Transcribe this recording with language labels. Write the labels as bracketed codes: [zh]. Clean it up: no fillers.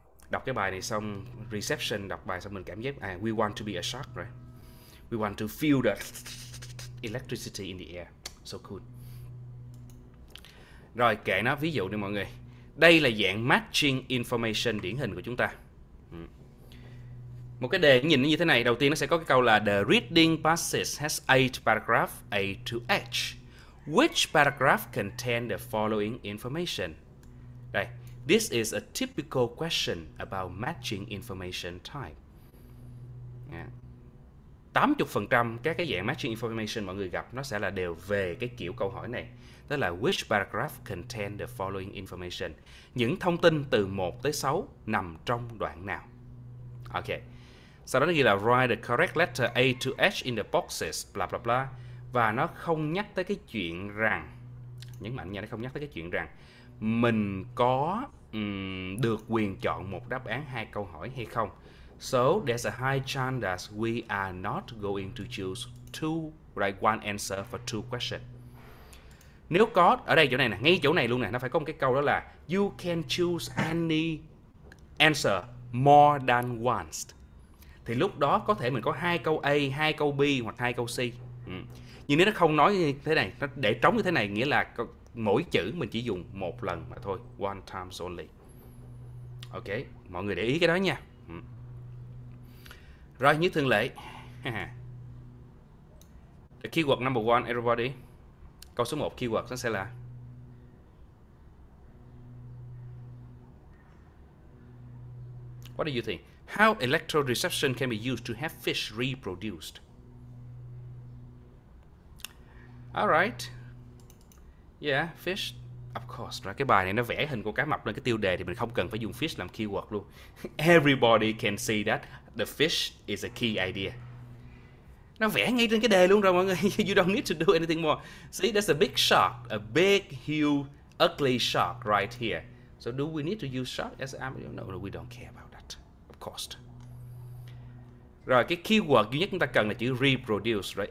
[vi] Đọc cái bài này xong, reception, đọc bài xong mình cảm giác, [en] we want to be a shock, right? We want to feel the electricity in the air. So cool. [vi] Rồi, kể nó ví dụ đi mọi người. Đây là dạng matching information điển hình của chúng ta. Một cái đề nhìn nó như thế này. Đầu tiên nó sẽ có cái câu là [en] the reading passage has 8 paragraphs A to H. Which paragraph contain the following information? Đây, this is a typical question about matching information type. Yeah. [vi] 80% các cái dạng matching information mọi người gặp nó sẽ là đều về cái kiểu câu hỏi này. Tức là [en] which paragraph contain the following information? [vi] Những thông tin từ 1 tới 6 nằm trong đoạn nào? Ok. Sau đó nó ghi là [en] write the correct letter A to H in the boxes, blah blah blah. [vi] Và nó không nhắc tới cái chuyện rằng, nhấn mạnh nha, nó không nhắc tới cái chuyện rằng mình có được quyền chọn một đáp án hai câu hỏi hay không. [en] So there's a high chance that we are not going to choose two right one answer for two questions. [vi] Nếu có, ở đây chỗ này nè, ngay chỗ này luôn nè, nó phải có một cái câu đó là [en] you can choose any answer more than once. [vi] Thì lúc đó có thể mình có hai câu A, hai câu B hoặc hai câu C. Ừ. Nhưng nếu nó không nói như thế này, nó để trống như thế này, nghĩa là mỗi chữ mình chỉ dùng một lần mà thôi. [en] One times only. [vi] Ok, mọi người để ý cái đó nha. Rồi, như thường lệ. [en] The keyword number one, everybody. [vi] Câu số 1, keyword nó sẽ là [en] what do you think? How electroreception can be used to have fish reproduced? Alright. Yeah, fish. Of course, right? [vi] Cái bài này nó vẽ hình con cá mập lên cái tiêu đề thì mình không cần phải dùng fish làm keyword luôn. [en] Everybody can see that the fish is a key idea. [vi] Nó vẽ ngay trên cái đề luôn rồi mọi người. [en] You don't need to do anything more. See, that's a big shark. A big, huge, ugly shark right here. So do we need to use shark as an animal? No, we don't care about that. Of course. [vi] Rồi, cái keyword duy nhất chúng ta cần là chữ reproduce, right?